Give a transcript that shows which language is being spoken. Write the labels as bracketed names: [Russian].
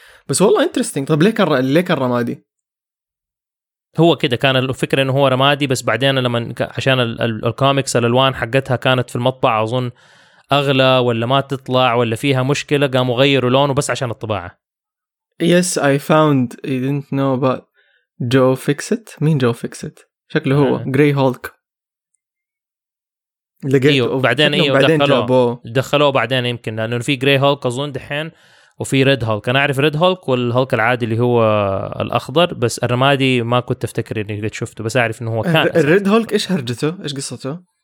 [Arabic] بس والله إنترستينج. طب ليه كان رمادي؟ هو كده كان الفكرة إنه هو رمادي، بس بعدين لما عشان الكوميكس الألوان حقتها كانت في المطبعة أظن أغلى ولا ما تطلع ولا فيها مشكلة، قاموا غيروا لونه بس عشان الطباعة. [English] Yes I found I didn't know about Joe Fixit. [Arabic] مين Joe Fixit؟ شكله هو Grey Hulk. لقيته بعدين دخلوه بعدين يمكن لأنه في Grey Hulk أظن دحين وفي ريد هولك. انا اعرف ريد هولك والهولك العادي اللي هو الاخضر، بس الرمادي ما كنت افتكر اني قد شفته، بس اعرف انه هو كان الريد هولك. ايش هرجته؟ ايش قصته؟